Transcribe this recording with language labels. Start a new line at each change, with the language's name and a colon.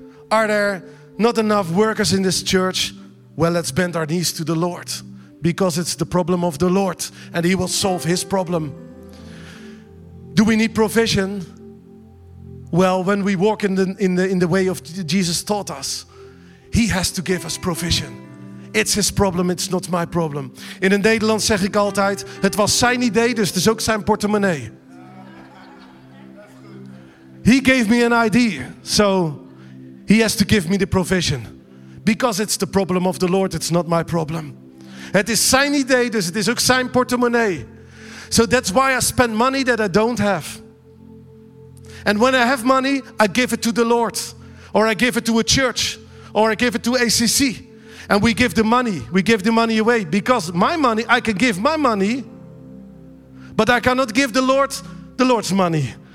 English: Are there not enough workers in this church? Well, let's bend our knees to the Lord. Because it's the problem of the Lord. And he will solve his problem. Do we need provision? Well, when we walk in the way of Jesus taught us, he has to give us provision. It's his problem, it's not my problem.
Dutch: In het Nederlands zeg ik altijd, het was zijn idee, dus het is ook zijn portemonnee.
English: He gave me an idea, so he has to give me the provision. Because it's the problem of the Lord, it's not my problem.
Dutch: Het is zijn idee, dus het is ook zijn portemonnee.
English: So that's why I spend money that I don't have. And when I have money, I give it to the Lord. Or I give it to a church. Or I give it to ACC. And we give the money. We give the money away. Because my money, I can give my money. But I cannot give the Lord's money.